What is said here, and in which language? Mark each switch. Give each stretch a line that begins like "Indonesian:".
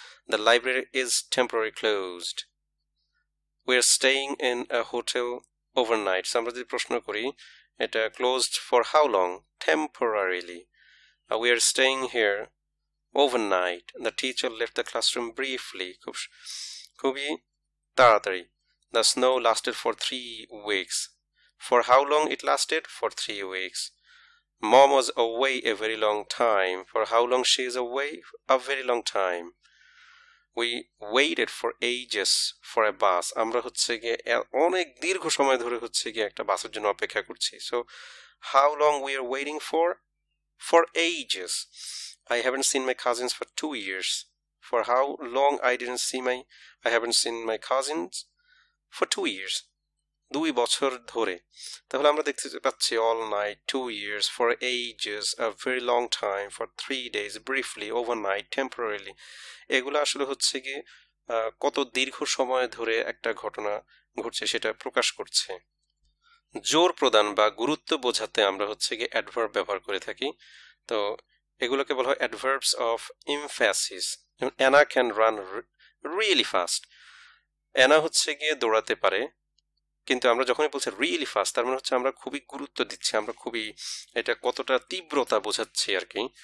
English: the library is temporary closed, we are staying in a hotel overnight,
Bangla: so আমরা যদি প্রশ্ন করি এটা
English: closed for how long, temporarily, we are staying here overnight, the teacher left the classroom briefly,
Bangla: খুব খুবই তাড়াতাড়ি,
English: the snow lasted for 3 weeks, for how long it lasted, for 3 weeks, mom was away a very long time, for how long she is away, a very long time, we waited for ages for a bus,
Bangla: আমরা হচ্ছে গিয়ে অনেক দীর্ঘ সময় ধরে হচ্ছে গিয়ে একটা বাসের জন্য অপেক্ষা করছি,
English: So how long we are waiting for, For ages. I haven't seen my cousins for 2 years. For how long I haven't seen my cousins? For 2 years.
Bangla: 2 বছর ধরে। তাহলে আমরা দেখতে পাচ্ছি
English: all night, 2 years, for ages, a very long time, for 3 days, briefly, overnight, temporarily.
Bangla: এগুলো আসলে হচ্ছে কি কত দীর্ঘ সময় ধরে একটা ঘটনা ঘটছে সেটা প্রকাশ করছে। জোর প্রদান বা গুরুত্ব বোঝাতে আমরা হচ্ছে কি অ্যাডভার্ব ব্যবহার করে থাকি। তো এগুলোকে বলা হয় adverbs of emphasis.
English: Anna can run really fast.
Bangla: Anna হচ্ছে গিয়ে দৌড়াতে পারে, কিন্তু আমরা যখনই বলছি রিয়েলি ফাস্ট, তার মানে হচ্ছে আমরা খুবই গুরুত্ব দিচ্ছি, আমরা খুবই এটা কতটা তীব্রতা বোঝাচ্ছি আর কি।